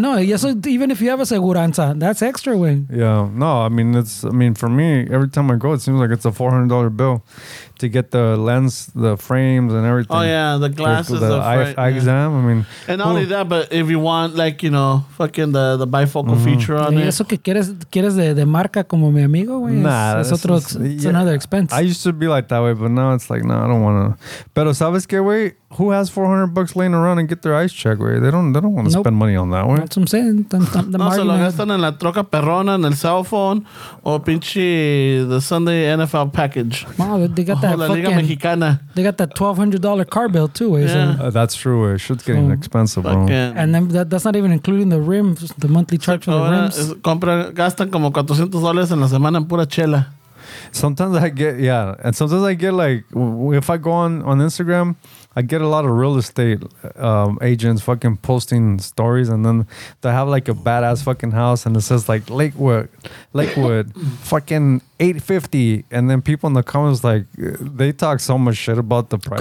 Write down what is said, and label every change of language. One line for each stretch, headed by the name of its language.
English: No, yeah, so even if you have a seguranza, that's extra win. Yeah, no, I mean, for me, every time I go, it seems like it's a $400 bill. To get the lens, the frames, and everything. Oh yeah, the glasses, the eye exam. I mean, and not only that, but if you want, like, you know, fucking the bifocal feature on it.
Spanish: Eso que quieres de marca como mi amigo, güey.
English: Nah, it's another expense. I used to be like that way, but now it's like, no, I don't want to.
Spanish: Pero sabes que, güey,
English: who has $400 laying around and get their eyes checked, güey? They don't want to spend money on that, güey. That's what I'm saying.
Spanish: The no, se lo gastan en la troca perrona, en el cell phone, o pinche
English: the Sunday NFL package. Wow, they got that
Spanish: La Liga Mexicana.
English: They got that $1,200 car bill, too, güey. Yeah. That's true, güey. Shit's getting expensive, bro. And then that's not even including the rims, the monthly charge for the rims.
Spanish: Gastan como $400 en la semana en pura chela.
English: Sometimes I get, yeah. And sometimes I get like, if I go on Instagram, I get a lot of real estate agents fucking posting stories, and then they have like a badass fucking house and it says like Lakewood fucking 850, and then people in the comments like, they talk so much shit about the price.